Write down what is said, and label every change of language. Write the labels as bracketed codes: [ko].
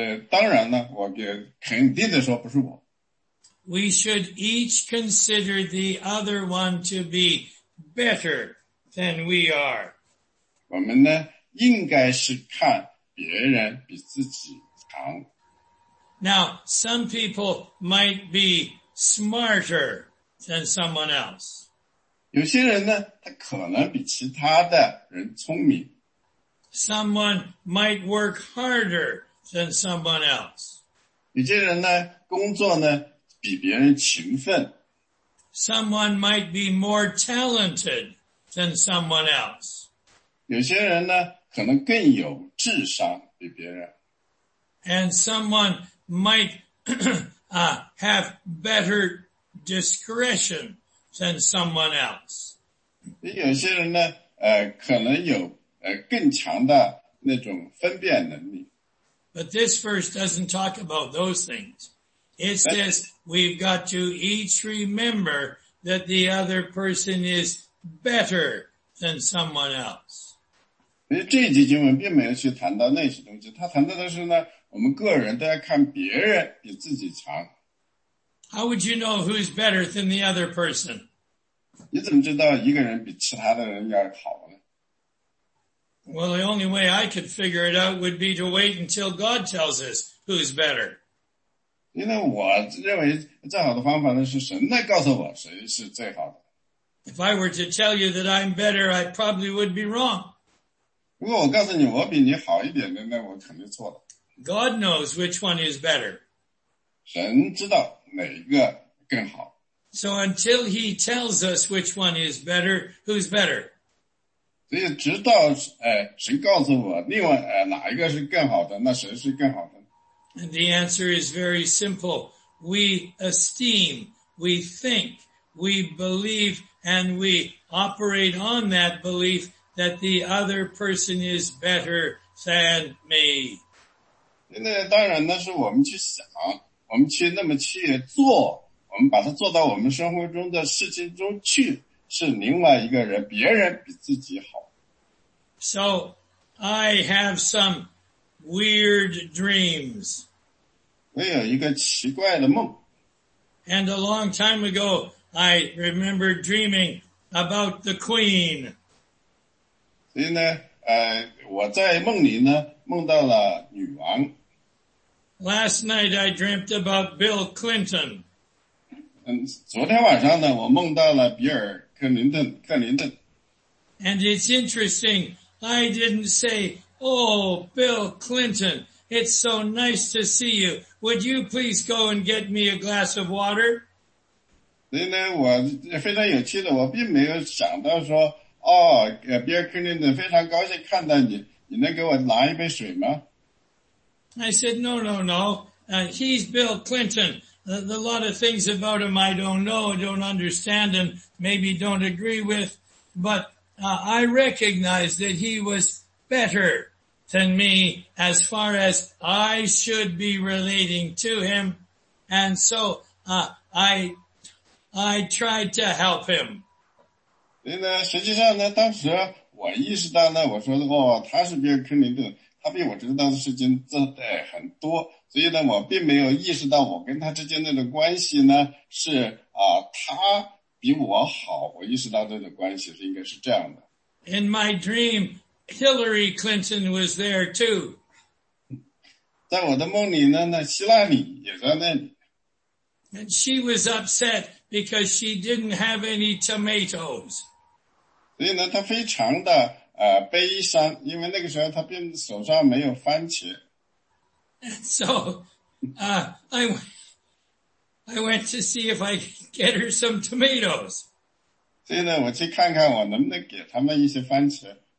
[zh] 当然呢，我肯定的说不是我。 [en] We should each consider the other one to be better than we are. [zh] 我们呢，应该是看别人比自己强。 [en] Now, some people might be smarter than someone else. [zh] 有些人呢，他可能比其他的人聪明。 [en] Someone might work harder than someone else. [zh] 有些人呢，工作呢，比别人勤奋。 [en] Someone might be more talented than someone else. [zh] 有些人呢，可能更有智商比别人。 [en] And someone might have better discretion than someone else. [zh] 有些人呢，可能有更强的那种分辨能力。 [en] But this verse doesn't talk about those things. It says we've got to each remember that the other person is better than someone else. [zh] 所以这一节经文并没有去谈到那些东西，他谈到的是呢，我们个人都要看别人比自己强。 [en] How would you know who's better than the other person? [zh] 你怎么知道一个人比其他的人要好呢？ [en] Well, the only way I could figure it out would be to wait until God tells us who's better. [zh] 因为我认为最好的方法呢是神来告诉我谁是最好的。 [en] If I were to tell you that I'm better, I probably would be wrong. [zh] 如果我告诉你我比你好一点的，那我肯定错了。 [en] God knows which one is better. [zh] 神知道哪一个更好。 [en] So until he tells us which one is better, who's better? [zh] 所以直到神告诉我另外哪一个是更好的，那谁是更好的？ [en] And the answer is very simple. We esteem, we think, we believe, and we operate on that belief that the other person is better than me. [zh] 那当然那是我们去想，我们去那么去做，我们把它做到我们生活中的事情中去，是另外一个人，别人比自己好。 [en] So, I have some weird dreams. [zh] 我有一个奇怪的梦。 [en] And a long time ago, I remember dreaming about the queen. [zh] 所以呢，我在梦里呢，梦到了女王。 [en] Last night I dreamt about Bill Clinton. [zh] 昨天晚上呢，我梦到了比尔·克林顿，克林顿。 [en] And it's interesting, I didn't say, oh, Bill Clinton, it's so nice to see you. Would you please go and get me a glass of water? [zh] 所以呢，我非常有趣的，我并没有想到说，哦，比尔·克林顿非常高兴看到你，你能给我拿一杯水吗？ [en] I said, no, no, no, he's Bill Clinton. A lot of things about him I don't know, don't understand, and maybe don't agree with, but I recognize that he was better than me as far as I should be relating to him, and so I tried to help him. [zh] 所以呢，实际上呢，当时我意识到呢，我说，哦，他是比尔·克林顿。他比我知道的事情很多，所以呢，我并没有意识到我跟他之间的关系呢是他比我好。我意识到这种关系是应该是这样的。 [en] In my dream, Hillary Clinton was there too. [zh] 在我的梦里呢，那希拉里也在那里。 [en] And she was upset because she didn't have any tomatoes. [zh] 所以呢，她非常的悲伤，因为那个时候他并手上没有番茄。 [en] So, I went to see if I could get her some tomatoes. [zh] 所以呢，我去看看我能不能给他们一些番茄。